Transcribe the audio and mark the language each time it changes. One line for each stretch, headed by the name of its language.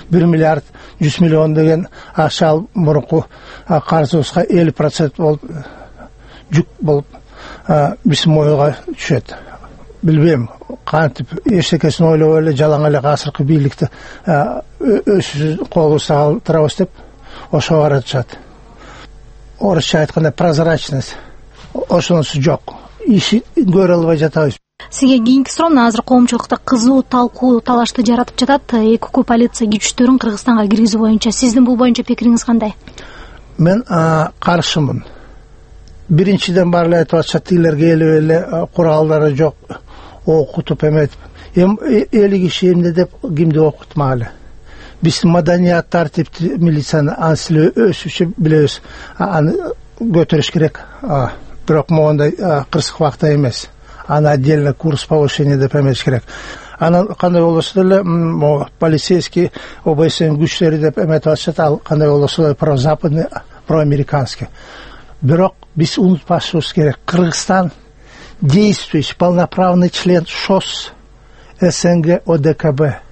Kyrgyz: 1 000 000 000 – 1 100 000 000 деген акча алып мурунку карызыбызга 50% болуп жүк болуп биздин моюнга түшөт. Билбейм кантип эчтекесин ойлобой эле жалаң эле азыркы бийликти өзүбүз колубузда калтырабыз деп ошого баратышат. Орусча айтканда прозрачность. Ошонусу жок, иши көрө албай жатабыз. Сизге кийинки суроо, мына азыр коомчулукта кызуу талкуу талашты жаратып жатат, ЭКК полиция күчтөрүн Кыргызстанга киргизүү боюнча сиздин бул боюнча пикириңиз кандай? Мен каршымын. Биринчиден баары эле айтып атышат, тигилер келип эле куралдары жок, окутуп эметип. Эми 50 киши эмне деп кимди окутмагыле? Биздин маданият тартипти милицияны ансыле өсүчү билебиз. Аны көтөрүш керек. Бирок моундай кырсык убакта эмес. Аны
Russian: отдельно курс повышения
Kyrgyz: деп эметиш керек. Анан кандай болбосо деле полицейский ОБСнын күчтөрү деп эметип атышат, ал кандай болбосо деле
Russian: прозападный, проамериканский.
Kyrgyz: Бирок биз унутпашыбыз керек.
Russian: Кыргызстан действующий полноправный член ШОС СНГ ОДКБ.